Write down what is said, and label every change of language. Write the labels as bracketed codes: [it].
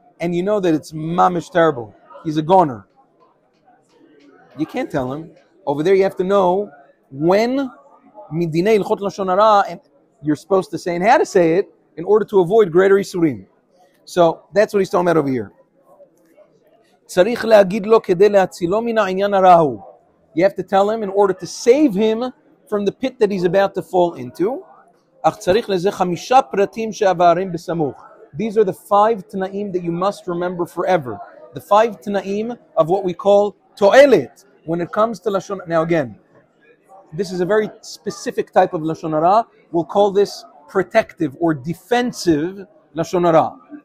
[en] And you know that it's mamish terrible. He's a goner. You can't tell him. Over there you have to know when midinei ilchot lashon hara you're supposed to say and how to say it in order to avoid greater isurim. So that's what he's talking about over here. [he] צריך להגיד לו כדי להצילו מן העניין הרע הוא. [en] You have to tell him in order to save him from the pit that he's about to fall into. [he] אך צריך לזה חמישה פרטים שעברים בסמוך. [en] These are the five תנאים that you must remember forever. The five תנאים of what we call תועלת. When it comes to Lashon Hara, now again, this is a very specific type of Lashon Hara. We'll call this protective or defensive Lashon Hara.